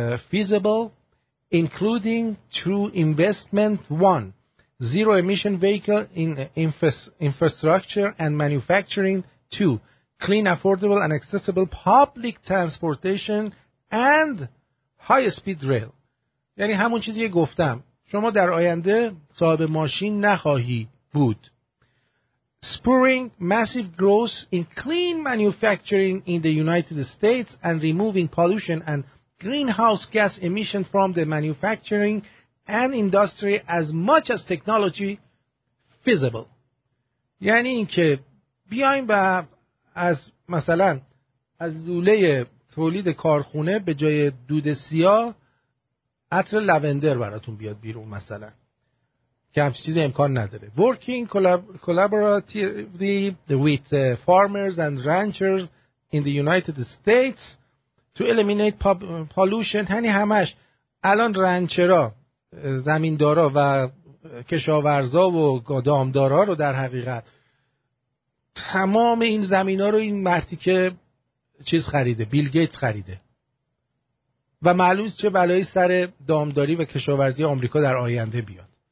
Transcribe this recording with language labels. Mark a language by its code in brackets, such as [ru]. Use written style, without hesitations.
[en] feasible, including through investment one, zero emission vehicle in infrastructure and manufacturing two, clean, affordable and accessible public transportation and high speed rail. [fa] یعنی همون چیزی که گفتم، شما در آینده صاحب ماشین نخواهی بود. [en] Spurring massive growth in clean manufacturing in the United States and removing pollution and greenhouse gas emission from the manufacturing and industry as much as technology feasible. [fa] یعنی اینکه بیایم و از مثلا از لوله تولید کارخونه به جای دود سیاه عطر لوندر براتون بیاد بیرون مثلا، که همچی چیز امکان نداره. [en] Working collaboratively with farmers and ranchers in the United States to eliminate pollution. [fa] هنی همش الان رنچرا، زمیندارا و کشاورزا و گادامدارا رو در حقیقت تمام این زمین ها رو این مرتی که چیز خریده، بیل گیت خریده و معلوم است چه بلایی سر دامداری و کشاورزی آمریکا در آینده بیاد.